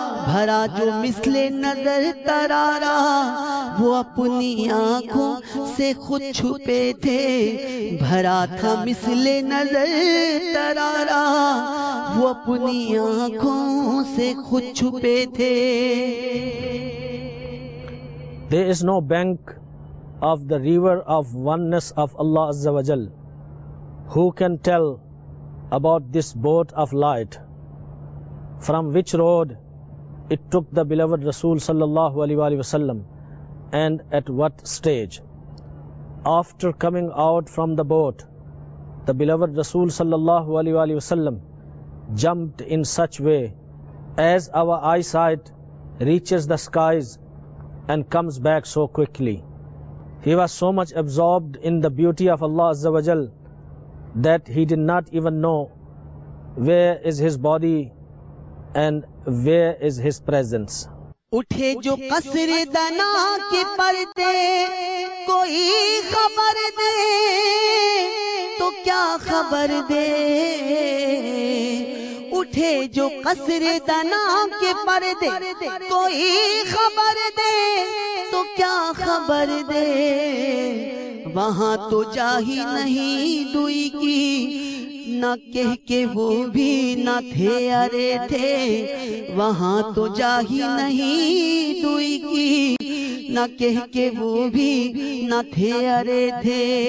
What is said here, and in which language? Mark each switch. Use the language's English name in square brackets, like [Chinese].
[Urdu] Bhara jo misle nazar tarara, وہ اپنی آنکھوں سے خود چھپے تھے. بھرا تھا مثل نظر ترارا, وہ اپنی آنکھوں سے خود چھپے تھے. [English] There is no bank of the river of oneness of Allah Azza wa Jal. Who can tell about this boat of light? From which road it took the beloved Rasul sallallahu alaihi wasallam? And at what stage? After coming out from the boat, the beloved Rasul sallallahu alaihi wasallam jumped in such way as our eyesight reaches the skies and comes back so quickly. He was so much absorbed in the beauty of Allah Azza wa Jal that he did not even know where is his body and where is his presence. [Urdu] اٹھے جو قصر دنا کے پردے, کوئی خبر دے تو کیا خبر دے. اٹھے جو قصر دنا کے پردے, کوئی خبر دے تو کیا خبر دے. وہاں تو جا ہی نہیں دوئی کی, نہ کہہ کے وہ بھی نہ تھے ارے تھے. وہاں تو جا ہی نہیں دوئی کی, نہ کہہ کے وہ بھی نہ تھے ارے تھے.